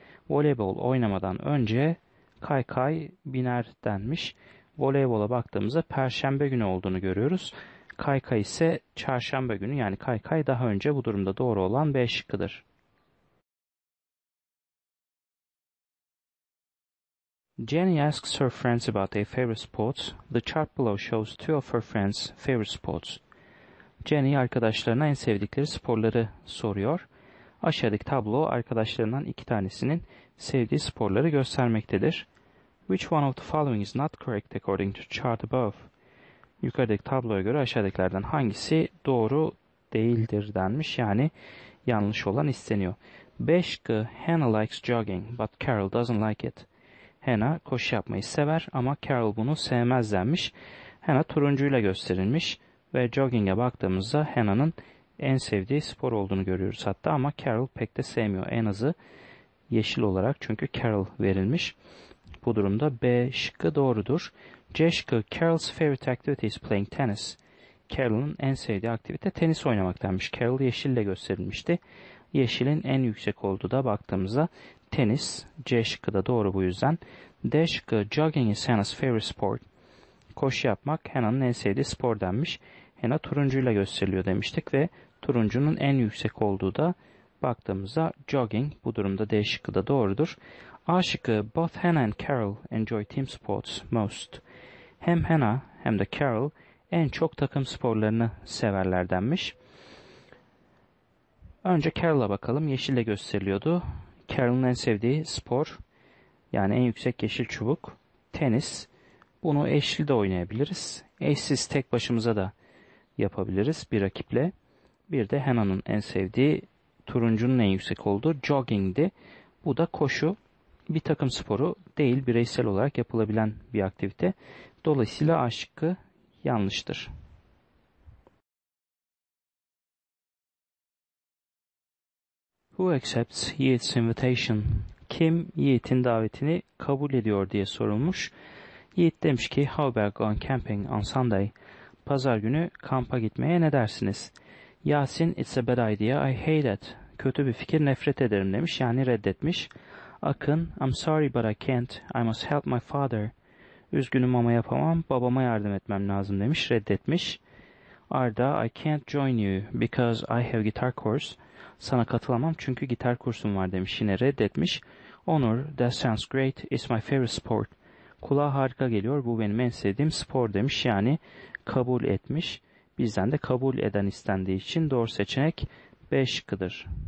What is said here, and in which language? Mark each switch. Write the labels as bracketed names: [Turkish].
[Turkish] Voleybol oynamadan önce kaykay biner denmiş. Voleybola baktığımızda perşembe günü olduğunu görüyoruz. Kaykay ise çarşamba günü, yani kaykay daha önce. Bu durumda doğru olan B şıkkıdır. [English] Jenny asks her friends about their favorite sports. The chart below shows two of her friends' favorite sports. [Turkish] Jenny, arkadaşlarına en sevdikleri sporları soruyor. Aşağıdaki tablo, arkadaşlarından iki tanesinin sevdiği sporları göstermektedir. [English] Which one of the following is not correct according to chart above? [Turkish] Yukarıdaki tabloya göre aşağıdakilerden hangisi doğru değildir denmiş. Yani yanlış olan isteniyor. [English] 5G, Hannah likes jogging but Carol doesn't like it. [Turkish] Hannah koşu yapmayı sever ama Carol bunu sevmez denmiş. Hannah turuncuyla gösterilmiş ve jogging'e baktığımızda Hannah'ın en sevdiği spor olduğunu görüyoruz hatta ama Carol pek de sevmiyor. En azı yeşil olarak çünkü Carol verilmiş. Bu durumda B şıkkı doğrudur. C şıkkı [English] Carol's favorite activity is playing tennis. [Turkish] Carol'ın en sevdiği aktivite tenis oynamak denmiş. Carol yeşille gösterilmişti. Yeşilin en yüksek olduğu da baktığımızda tenis. C şıkkı da doğru bu yüzden. D şıkkı [English] jogging is Hannah's favorite sport. [Turkish] Koşu yapmak Hannah'ın en sevdiği spor denmiş. Hannah turuncuyla gösteriliyor demiştik ve turuncunun en yüksek olduğu da baktığımızda jogging. Bu durumda D şıkkı da doğrudur. A şıkkı [English] both Hannah and Carol enjoy team sports most. [Turkish] Hem Hannah hem de Carol en çok takım sporlarını severler denmiş. Önce Carol'a bakalım. Yeşille gösteriliyordu. Carol'un en sevdiği spor, yani en yüksek yeşil çubuk, tenis. Bunu eşli de oynayabiliriz. Eşsiz tek başımıza da yapabiliriz bir rakiple. Bir de Hannah'ın en sevdiği, turuncunun en yüksek olduğu jogging'di. Bu da koşu. Bir takım sporu değil, bireysel olarak yapılabilen bir aktivite. Dolayısıyla A şıkkı yanlıştır. [English] Who accepts Yiğit's invitation? [Turkish] Kim Yiğit'in davetini kabul ediyor diye sorulmuş. Yiğit demiş ki, [English] how about going camping on Sunday? [Turkish] Pazar günü kampa gitmeye ne dersiniz? [English] Yasin, it's a bad idea, I hate it. [Turkish] Kötü bir fikir, nefret ederim demiş, yani reddetmiş. [English] Akın, I'm sorry but I can't, I must help my father. [Turkish] Üzgünüm ama yapamam, babama yardım etmem lazım demiş, reddetmiş. [English] Arda, I can't join you because I have guitar course. [Turkish] Sana katılamam çünkü gitar kursum var demiş, yine reddetmiş. [English] Onur, that sounds great, it's my favorite sport. [Turkish] Kulağa harika geliyor, bu benim en sevdiğim spor demiş, yani kabul etmiş. Bizden de kabul eden istendiği için doğru seçenek 5 şıkkıdır.